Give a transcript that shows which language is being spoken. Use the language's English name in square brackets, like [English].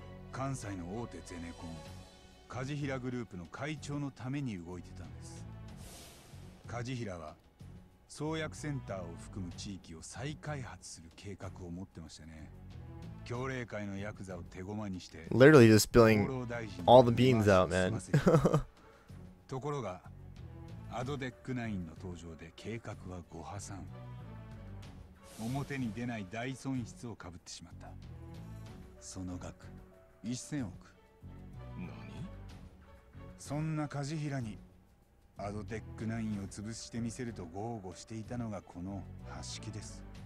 [Japanese] 関西の大手ゼネコン梶平グループの会長のために動いてたんです。梶平は創薬センターを含む地域を再開発する計画を持ってましたね。教令会のヤクザを手駒にして [English] Literally just spilling all the beans out, man. [Japanese] ところがアドデック9の登場で計画はご破産。表に出ない大損失をかぶってしまった。その額1000億。何？そんな梶平にアドテック9を潰してみせると豪語していたのがこの橋木です。